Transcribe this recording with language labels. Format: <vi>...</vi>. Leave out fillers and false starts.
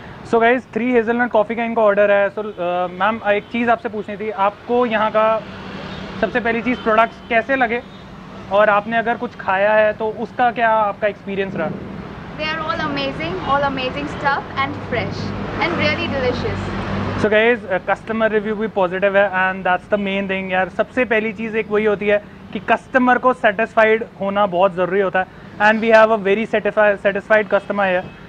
<hi>So guys three hazelnut coffee का इनका order है। सो मैम एक चीज़ आपसे पूछनी थी, आपको यहाँ का सबसे पहली चीज़ प्रोडक्ट्स कैसे लगे, और आपने अगर कुछ खाया है तो उसका क्या आपका एक्सपीरियंस रहा?</hi> <en>They are all amazing stuff and fresh and really delicious. So guys, customer review भी positive है and that's the main thing यार।</en> <hi>सबसे पहली चीज़ एक वही होती है कि customer को satisfied होना बहुत ज़रूरी होता है,</hi> <en>and we have a very satisfied customer here.</en>